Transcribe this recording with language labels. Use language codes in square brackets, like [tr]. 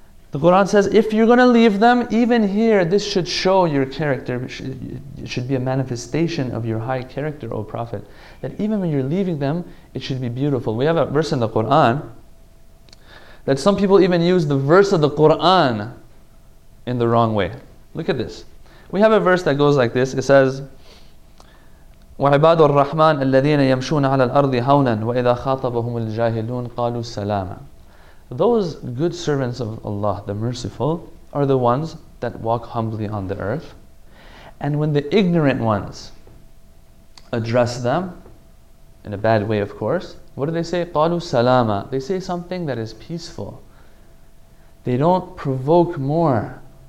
[en] The Quran says, if you're going to leave them, even here, this should show your character. It should be a manifestation of your high character, O Prophet. That even when you're leaving them, it should be beautiful. We have a verse in the Quran that some people even use the verse of the Quran in the wrong way. Look at this. We have a verse that goes like this. It says, [ar] وَعِبَادُ الرَّحْمَنِ الَّذِينَ يَمْشُونَ عَلَى الْأَرْضِ هَوْنًا وَإِذَا خَاطَبَهُمُ الْجَاهِلُونَ قَالُوا السَّلَامًا. [en] Those good servants of Allah, the merciful, are the ones that walk humbly on the earth. And when the ignorant ones address them, in a bad way of course, what do they say? [ar] قَالُوا سَلَامًا. [en] They say something that is peaceful. They don't provoke more.